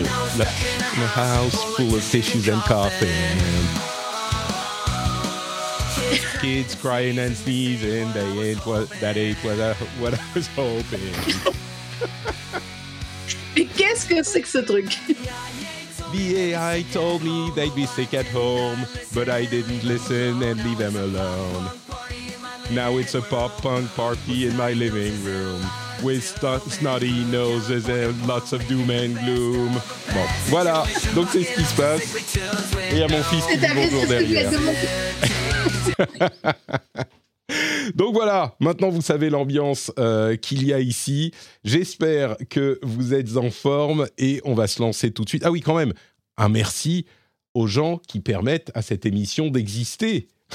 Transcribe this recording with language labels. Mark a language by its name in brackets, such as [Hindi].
[English] In a house full of tissues and coughing. Kids crying and sneezing. That ain't what I was hoping. [French] Mais qu'est-ce que c'est que ce truc? [English] The AI told me they'd be sick at home, but I didn't listen and leave them alone. Now it's a pop punk party in my living room with snotty noses and lots of doom and gloom. [French] Bon, voilà, donc c'est ce qui se passe. Et il y a mon fils qui dit bonjour derrière. Donc voilà, maintenant vous savez l'ambiance qu'il y a ici. J'espère que vous êtes en forme et on va se lancer tout de suite. Ah oui, quand même, un merci aux gens qui permettent à cette émission d'exister.